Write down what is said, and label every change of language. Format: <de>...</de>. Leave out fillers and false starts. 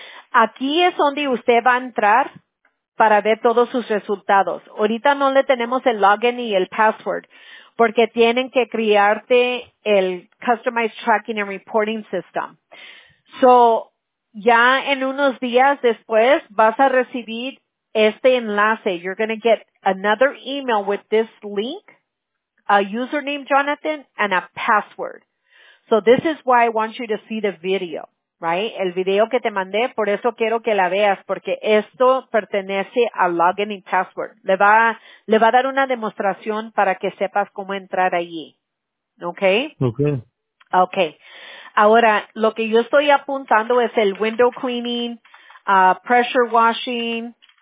<es>Aquí es donde usted va a entrar para ver todos sus resultados. Ahorita no le tenemos el login y el password, porque tienen que crearte el Customized Tracking and Reporting System. So, ya en unos días después vas a recibir este enlace.</es> <en>You're going to get another email with this link, a username, Jonathan, and a password. So, this is why I want you to see the video, right?</en> <es>El video que te mandé, por eso quiero que la veas, porque esto pertenece al login y password. Le va a dar una demostración para que sepas cómo entrar allí.</es> <en>Okay. Okay.</en> <es>Okay. Ahora, lo que yo estoy apuntando es el window cleaning, pressure washing.</es>